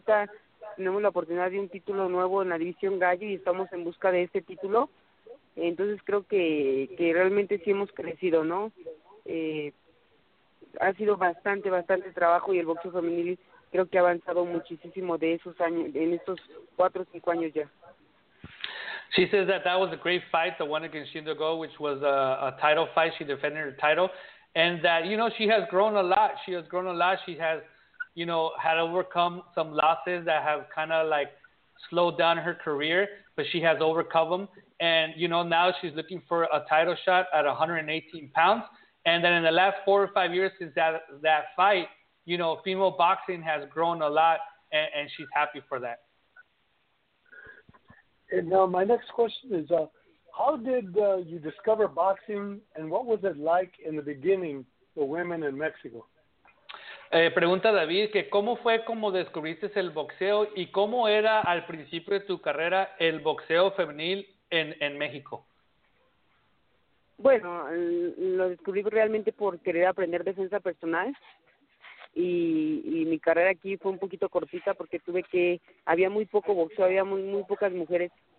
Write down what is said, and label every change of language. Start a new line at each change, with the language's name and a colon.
Spanish: Ahorita tenemos la oportunidad de un título nuevo en la división gallo y estamos en busca de este título. Entonces creo que realmente sí hemos crecido, ¿no? Ha sido bastante, bastante trabajo y el boxeo femenil creo que ha avanzado muchísimo de esos años, en estos 4 o 5 años ya.
English: She says that was a great fight, the one against Shindo Go, which was a title fight. She defended her title. And that, you know, she has grown a lot. She has grown a lot. She has, you know, had overcome some losses that have kind of like slowed down her career, but she has overcome them. And, you know, now she's looking for a title shot at 118 pounds. And then in the last 4 or 5 years since that fight, you know, female boxing has grown a lot, and she's happy for that. And now my next question is, how did you discover boxing, and what was it like in the beginning for women in Mexico?
Spanish: Pregunta David, que cómo fue como descubriste el boxeo y cómo era al principio de tu carrera el boxeo femenil en México. Bueno, lo descubrí realmente por querer aprender defensa personal y mi carrera aquí fue un poquito cortita porque había muy poco boxeo, había muy pocas mujeres